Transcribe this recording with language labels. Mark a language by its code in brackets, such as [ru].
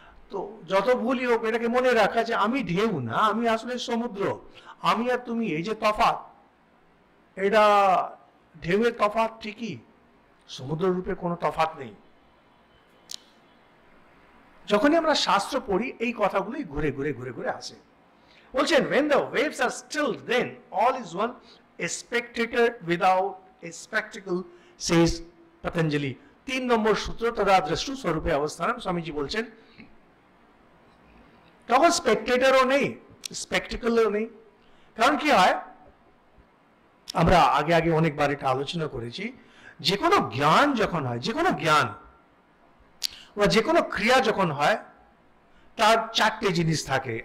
[bn] তো যত ভুলই হোক এটাকে মনে রাখা যে আমি ঢেউ না, আমি আসলে সমুদ্র। আমি আর তুমি এই যে তফাৎ, এটা ঢেউয়ের তফাৎ ঠিকই, সমুদ্র রূপে কোনো তফাৎ নেই। যখনই আমরা শাস্ত্র পড়ি এই কথাগুলোই ঘুরে ঘুরে ঘুরে ঘুরে আসে। বলছেন [en] when the waves are still then all is one, a spectator without a spectacle, says Patanjali. [bn] 3 নম্বর সূত্র, [sa] তদা দৃষ্টু স্বরূপে অবস্থানম, [bn] স্বামীজি বলছেন তখন স্পেকটেটারও নেই, স্পেকটিকলও নেই। কারণ কি হয়, আমরা আগে আগে অনেকবার এটা আলোচনা করেছি, যে কোনো জ্ঞান যখন হয়, যে কোনো জ্ঞান বা যে কোনো ক্রিয়া যখন হয়, তার 4টে জিনিস থাকে।